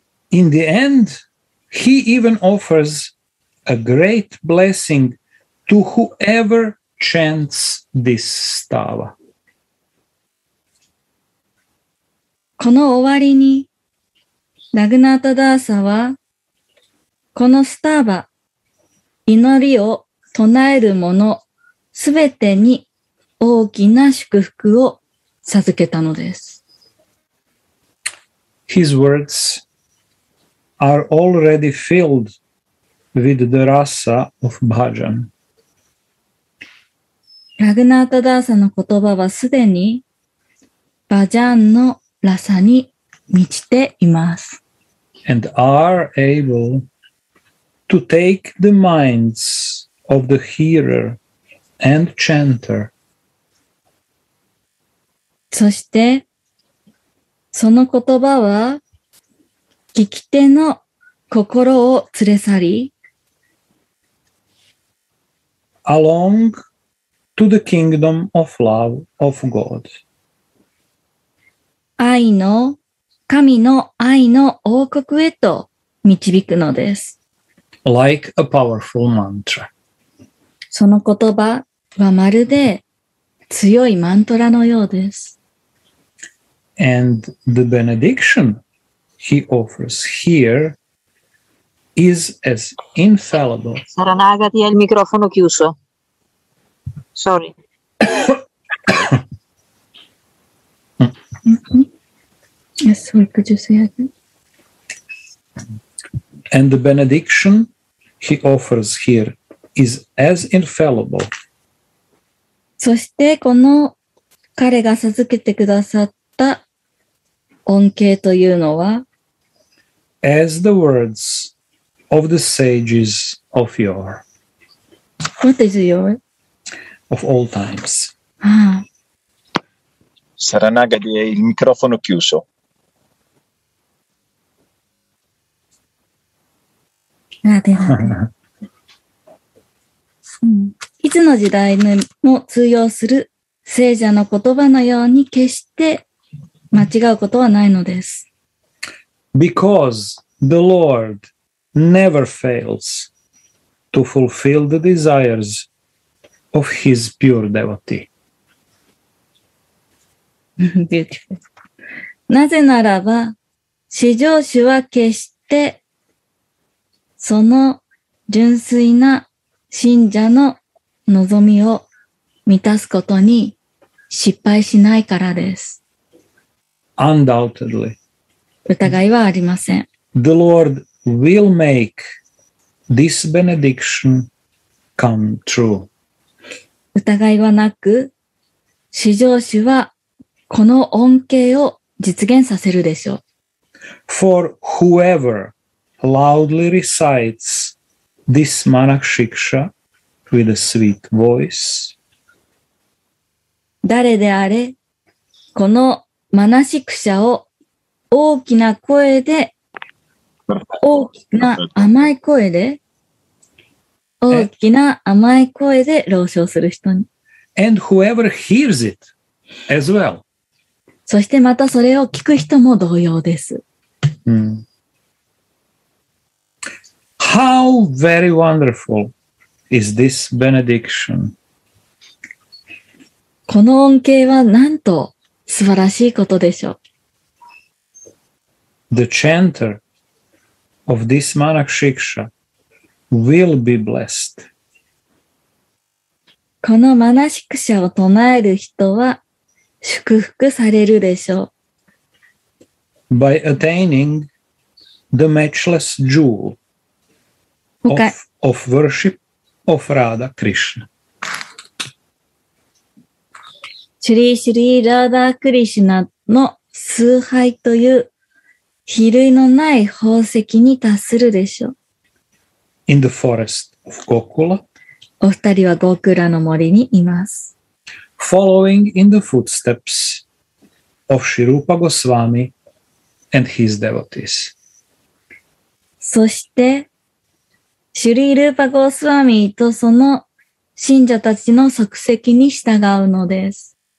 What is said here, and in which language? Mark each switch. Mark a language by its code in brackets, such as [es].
[en] In the end, he even offers a great blessing to whoever chants this stava. [ja] この終わりに、ラグナータ・ダーサは、このスターバ、祈りを唱える者、すべてに大きな祝福を授けたのです。 [en] His words,are already filled with the rasa of bhajan. [ja] ラグナータダーサの言葉はすでにバジャンのラサに満ちています。 [en] And are able to take the minds of the hearer and chanter. [ja] そしてその言葉は聞き手の心を連れ去り、 [en] along to the kingdom of love of God. [ja] 愛の、神の愛の王国へと導くのです。 [en] Like a powerful mantra. [ja] その言葉はまるで強いマントラのようです。 [en] And the benediction he offers here is as infallible. [it] Sarà Nagati ha il microfono chiuso. [en] Sorry. Yes, we could just say again. And the benediction he offers here is as infallible. [ja] そしてこの彼が授けてくださった恩恵というのは [en] As the words of the sages of yore. What is yore? Of all times. [it] Saranagadi, il microfono chiuso. [ja] いつの時代にも通用する聖者の言葉のように決して間違うことはないのです。 [en] Because the Lord never fails to fulfill the desires of his pure devotee. Beautiful. [ja] なぜならば、至上主は決してその純粋な信者の望みを満たすことに失敗しないからです。 [en] Undoubtedly. [ja] 疑いはありません。 [en] The Lord will make this benediction come true. [ja] 疑いはなく、至上主はこの恩恵を実現させるでしょう。 [en] For whoever loudly recites this manakshiksha with a sweet voice. [ja] 誰であれ、このマナシクシャを大きな声で、大きな甘い声で、大きな甘い声で朗唱する人に。 [en] And whoever hears it as well. [ja] そしてまたそれを聞く人も同様です。 Mm. [en] How very wonderful is this benediction? [ja] この恩恵はなんと素晴らしいことでしょう。 [en] The chanter of this manakshiksha will be blessed. [ja] このマナシクシャを唱える人は祝福されるでしょう。 [en] By attaining the matchless jewel. Of worship of Radha Krishna. [ja] シュリーシュリーラーダークリシュナの崇拝という比類のない宝石に達するでしょう。 [en] In the forest of Gokula. [ja] お二人はゴクラの森にいます。 [en] Following in the footsteps of Shri Rupa Goswami and his devotees. [ja] そして、シュリールーパゴスワミとその信者たちの足跡に従うのです。